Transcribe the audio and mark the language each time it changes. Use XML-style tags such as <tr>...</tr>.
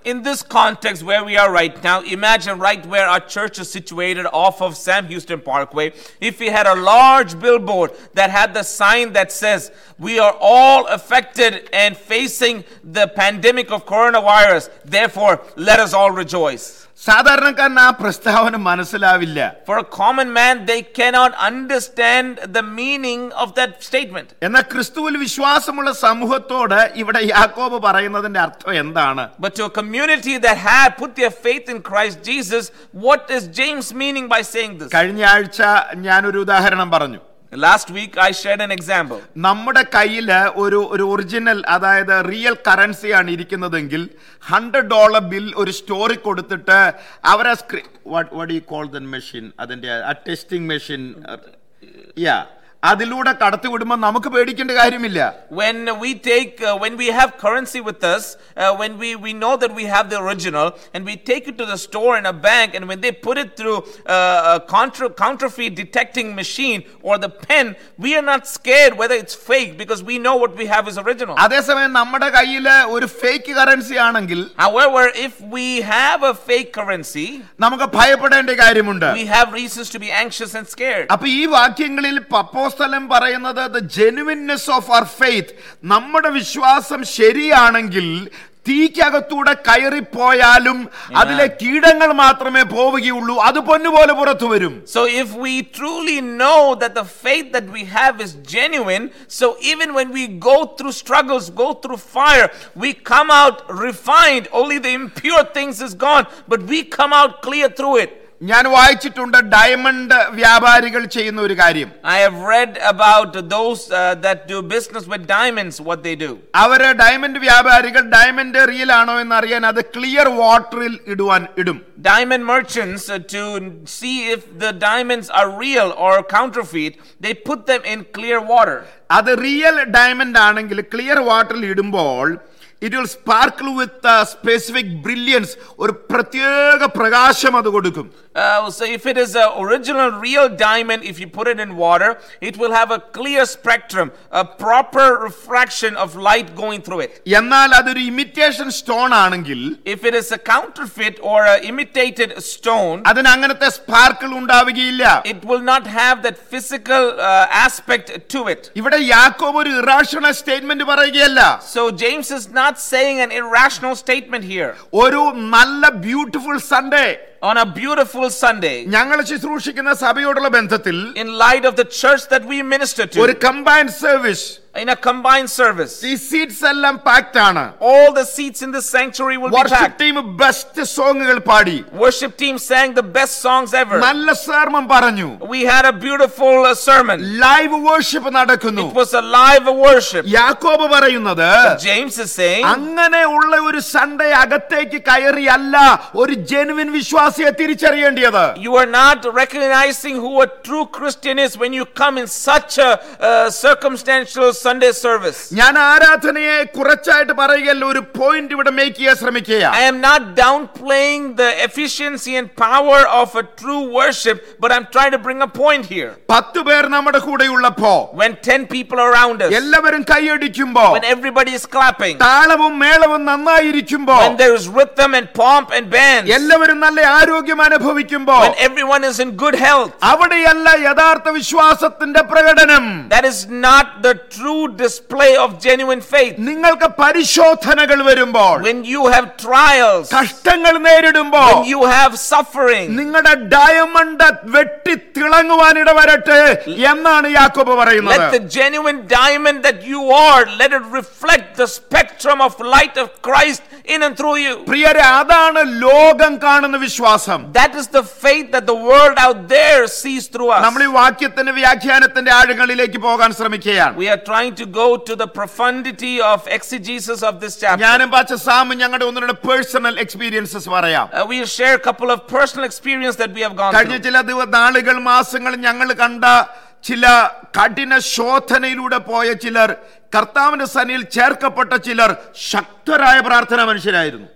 <en>In this context where we are right now, imagine right where are church is situated off off Sam Houston Parkway. If you had a large billboard that had the sign that says we are all affected and facing the pandemic of corona virus, therefore let us all rejoice.</en> <ml>സാധാരണക്കാരന് ആ പ്രസ്താവന മനസ്സിലാവില്ല.</ml> <en>For a common man, they cannot understand the meaning of that statement.</en> <ml>എന്ന ക്രിസ്തുവിൽ വിശ്വാസമുള്ള സമൂഹത്തോട് ഇവിടെ യാക്കോബ് പറയുന്നതിന്റെ അർത്ഥം എന്താണ്?</ml> <en>But to a community that had put their faith in Christ Jesus, what is James meaning by saying this?</en> <ml>കഴിഞ്ഞ ആഴ്ച ഞാൻ ഒരു ഉദാഹരണം പറഞ്ഞു.</ml> <en>Last week I shared an example.</en> <ml>നമ്മുടെ കയ്യിൽ ഒരു ഒരു ഒറിജിനൽ, അതായത് റിയൽ കറൻസി ആണ് ഇരിക്കുന്നതെങ്കിൽ $100 ബിൽ ഒരു സ്റ്റോറിൽ കൊടുത്തിട്ട് അവരെ what you call the machine, അതിന്റെ ആ ടെസ്റ്റിംഗ് മെഷീൻ, യാ, അതിലൂടെ കടത്തി വിടുമ്പോൾ നമുക്ക് പേടിക്കേണ്ട കാര്യമില്ല.</ml> <en>When we take, when we have currency with us, when we know that we have the original and we take it to the store in a bank, and when they put it through counterfeit detecting machine or the pen, we are not scared whether it's fake because we know what we have is original.</en> <ml>അതേസമയം നമ്മുടെ കയ്യിൽ ഒരു fake currency ആണെങ്കിൽ,</ml> <en>however if we have a fake currency,</en> <ml>നമുക്ക് ഭയപ്പെടേണ്ട കാര്യമുണ്ട്.</ml> <en>We have reasons to be anxious and scared.</en> <ml>അപ്പോൾ ഈ വാക്യങ്ങളിൽ പോസ്തലം പറയുന്നത്</ml> <en>the genuineness of our faith,</en> <ml>നമ്മുടെ വിശ്വാസം ശരിയാണെങ്കിൽ തീക്കകത്തൂടെ കയറിപ്പോയാലും അതിലെ കീടങ്ങൾ മാത്രമേ പോവുകയുള്ളൂ, അത് പൊന്നുപോലെ പുറത്തു വരും.</ml> <en>So if we truly know that the faith that we have is genuine, so even when we go through struggles, go through fire, we come out refined, only the impure things is gone, but we come out clear through it.</en> <ml>ഞാൻ വായിച്ചിട്ടുണ്ട് diamond വ്യാപാരികൾ ചെയ്യുന്ന ഒരു കാര്യം.</ml> <en>I have read about those that do business with diamonds, what they do.</en> <ml>അവര് diamond വ്യാപാരികൾ diamond real ആണോ എന്ന് അറിയാൻ അത് ക്ലിയർ വാട്ടറിൽ ഇടുവാൻ ഇടും.</ml> <en>Diamond merchants to see if the diamonds are real or counterfeit, they put them in clear water.</en> <ml>അത് real diamond ആണെങ്കിൽ ക്ലിയർ വാട്ടറിൽ ഇടുമ്പോൾ</ml> <en>it will sparkle with a specific brilliance,</en> <ml>or pratyeka prakasham adu kodukum.</ml> <en>So if it is a original real diamond, if you put it in water, it will have a clear spectrum, a proper refraction of light going through it.</en> <ml>Ennal adu oru imitation stone aanengil,</ml> <en>if it is a counterfeit or a imitated stone,</en> <ml>adin anganathe sparkle undavugilla,</ml> <en>it will not have that physical aspect to it.</en> <ml>Ivide Jacob oru irrational statement parayugiyalla.</ml> <en>So James is not saying an irrational statement here.</en> <ml>Oru nalla beautiful Sunday,</ml> <en>on a beautiful Sunday,</en> <ml>ഞങ്ങളെ ശുശ്രൂഷിക്കുന്ന സഭയോടുള്ള ബന്ധത്തിൽ,</ml> <en>in light of the church that we minister to, ഒരു combined service, in a combined service, these seats ellam packed aanu, all the seats in the sanctuary will worship be packed, worship team best songsgal paadi, worship team sang the best songs ever,</en> <ml>നല്ല സർമം പറഞ്ഞു,</ml> <en>we had a beautiful sermon, live worship നടക്കുന്നു, it was a live worship.</en> <ml>യാക്കോബ് പറയുന്നു,</ml> <en>James is saying,</en> <ml>അങ്ങനെ ഉള്ള ഒരു Sunday അകത്തേക്ക് കയറിയല്ല ഒരു ജെനുവിൻ വിശ്വാസിയെ തിരിച്ചറിയേണ്ടത്.</ml> <en>You are not recognizing who a true Christian is when you come in such a circumstantial Sunday service.</en> <ml>ഞാൻ ആരാധനയെ കുറച്ചായിട്ട് പറയുകയല്ല, ഒരു പോയിന്റ് ഇവിടെ മേക്ക് ചെയ്യാൻ ശ്രമിക്കുക.</ml> <en>I am not downplaying the efficiency and power of a true worship, but I'm trying to bring a point here.</en> <ml>10 പേർ നമ്മുടെ കൂടെ ഉള്ളപ്പോൾ,</ml> <en>when 10 people are around us,</en> <ml>എല്ലാവരും കൈയടിക്കുമ്പോൾ,</ml> <en>when everybody is clapping,</en> <ml>താളവും മേളവും നന്നായിരിക്കുമ്പോൾ,</ml> <en>when there is rhythm and pomp and bands,</en> <ml>എല്ലാവരും നല്ല ആരോഗ്യം അനുഭവിക്കുമ്പോൾ,</ml> <en>when everyone is in good health,</en> <ml>അവിടെയല്ല യഥാർത്ഥ വിശ്വാസത്തിന്റെ പ്രകടനം.</ml> <en>That is not the true display of genuine faith.</en> <ml>നിങ്ങൾക്ക് പരിശോധനകൾ വരുമ്പോൾ,</ml> <en>when you have trials,</en> <ml>കഷ്ടങ്ങൾ നേരിടുമ്പോൾ,</ml> <en>when you have suffering,</en> <ml>നിങ്ങളുടെ ഡയമണ്ട് വെട്ടി തിളങ്ങുവാൻ ഇട വരട്ടെ എന്നാണ് യാക്കോബ് പറയുന്നത്.</ml> <en>Let the genuine diamond that you are, let it reflect the spectrum of light of Christ in and through you.</en> <ml>പ്രിയരെ, അതാണ് ലോകം കാണുന്ന വിശ്വാസം.</ml> <en>That is the faith that the world out there sees through us.</en> <ml>നമ്മൾ ഈ വാക്യത്തിന്റെ വ്യാഖ്യാനത്തിന്റെ ആഴങ്ങളിലേക്ക് പോകാൻ ശ്രമിക്കുകയാണ്.</ml> <en>We are trying to go to the profundity of exegesis of this chapter.</en> <ml>ഞാനും പാച്ച സാമും ഞങ്ങളുടെ ഒന്നിനെ പേഴ്സണൽ എക്സ്പീരിയൻസസ് പറയാം.</ml> <en>We will share a couple of personal experiences that we have gone</en> <ml>കഴിഞ്ഞ ചില നാളുകൾ മാസങ്ങൾ ഞങ്ങൾ കണ്ട ചില കഠിന ശോധനയിലൂടെ പോയ ചിലർ, കർത്താവിന്റെ സന്നിധിയിൽ ചേർക്കപ്പെട്ട ചിലർ ശക്തരായ പ്രാർത്ഥന മനുഷ്യരായിരുന്നു.</ml>